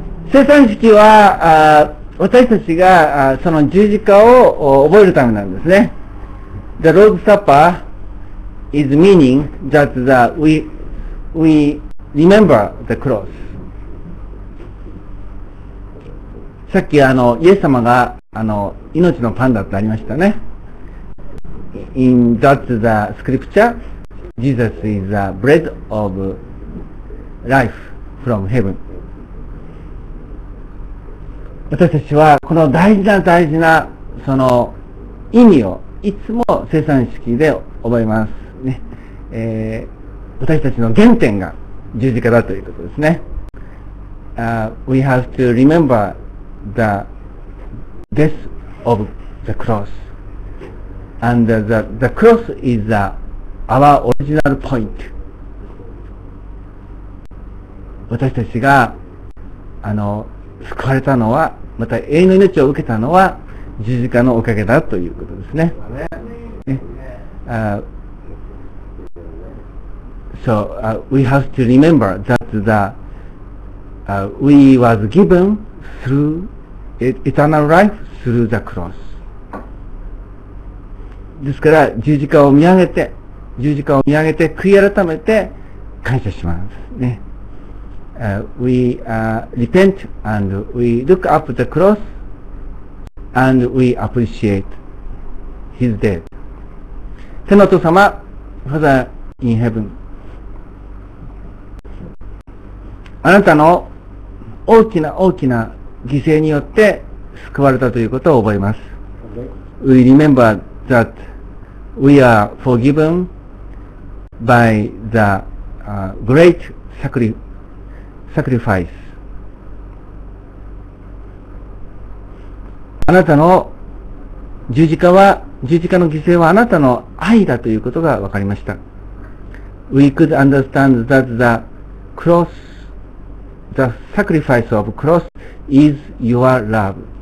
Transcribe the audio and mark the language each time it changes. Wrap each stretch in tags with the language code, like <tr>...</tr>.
<ja>生誕式は私たちがその十字架を覚えるためなんですね。</ja> <en>The Lord's Supper is meaning that we remember the cross。</en> <ja>さっきイエス様が命のパンだってありましたね。</ja> <en>In that the scripture, Jesus is the bread of life from heaven.</en> <ja>私たちはこの大事な大事なその意味をいつも聖餐式で覚えますね、私たちの原点が十字架だということですね。</ja> <en>We have to remember the death of the cross, and the cross is our original point.</en> <ja>私たちが救われたのはまた永遠の命を受けたのは十字架のおかげだということですね。</ja> <en>So we have to remember that the we was given through eternal life through the cross.</en> <ja>ですから十字架を見上げて、十字架を見上げて悔い改めて感謝しますね。</ja> <en>We repent and we look up the cross and we appreciate his death.</en> <ja>天のお父様、</ja> <en>Father in heaven、</en> <ja>あなたの大きな大きな犠牲によって救われたということを覚えます。</ja> <en>We remember that we are forgiven by the great sacrifice.</en> <ja>あなたの十字架は、十字架の犠牲はあなたの愛だということが分かりました。</ja> <en>We could understand that the cross, the sacrifice of cross is your love.</en>